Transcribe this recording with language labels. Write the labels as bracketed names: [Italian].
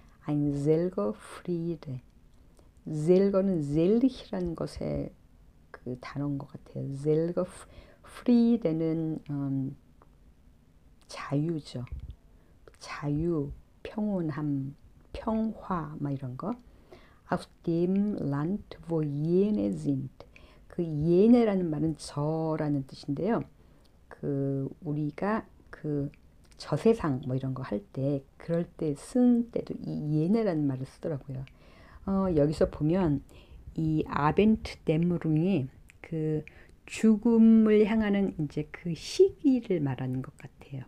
[German] Ein selger Friede. [Korean] 셀거는 젤리히라는 것의 그 단어인 것 같아요. 셀거 프리데는 자유죠. 자유, 평온함, 평화 막 이런 거. [German] Auf dem Land, wo jene sind. [Korean] 그 jene라는 말은 저라는 뜻인데요. 그 우리가 그 저세상 뭐 이런 거할 때, 그럴 때쓴 때도 이 예네라는 말을 쓰더라고요. 여기서 보면 이 아벤트 데무릉이 그 죽음을 향하는 이제 그 시기를 말하는 것 같아요.